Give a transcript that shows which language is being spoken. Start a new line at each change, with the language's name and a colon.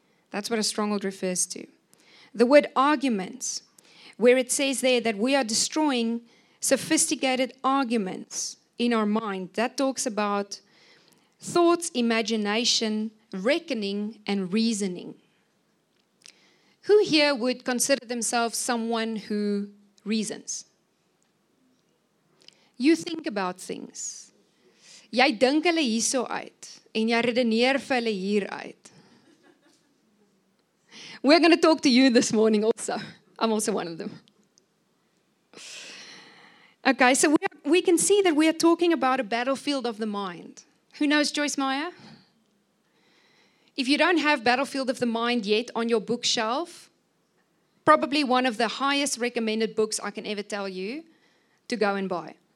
English: That's what a stronghold refers to. The word arguments, where it says there that we are destroying sophisticated arguments in our mind, that talks about thoughts, imagination, reckoning, and reasoning. Who here would consider themselves someone who reasons? You think about things.
Afrikaans: Jy dink hulle hierso uit, en jy redeneer vir hulle hier uit.
English: We're going to talk to you this morning also. I'm also one of them. Okay, so we can see that we are talking about a battlefield of the mind. Who knows Joyce Meyer? If you don't have Battlefield of the Mind yet on your bookshelf, probably one of the highest recommended books I can ever tell you to go and buy.